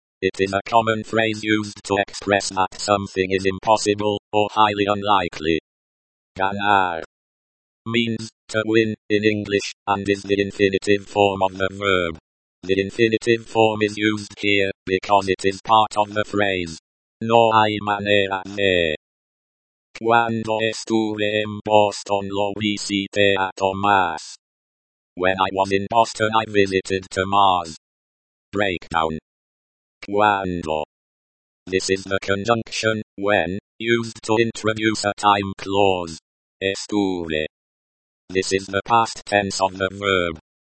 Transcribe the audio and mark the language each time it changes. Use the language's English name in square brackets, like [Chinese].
[English] It is a common phrase used to express that something is impossible, or highly unlikely. Ganar means, to win, in English, and is the infinitive form of the verb. The infinitive form is used here, because it is part of the phrase. [Spanish] No hay manera de. Cuando estuve en Boston lo visité a Tomás. [English] When I was in Boston I visited Tomás. Breakdown. Cuando. This is the conjunction, when, used to introduce a time clause. Estuve. This is the past tense of the verb.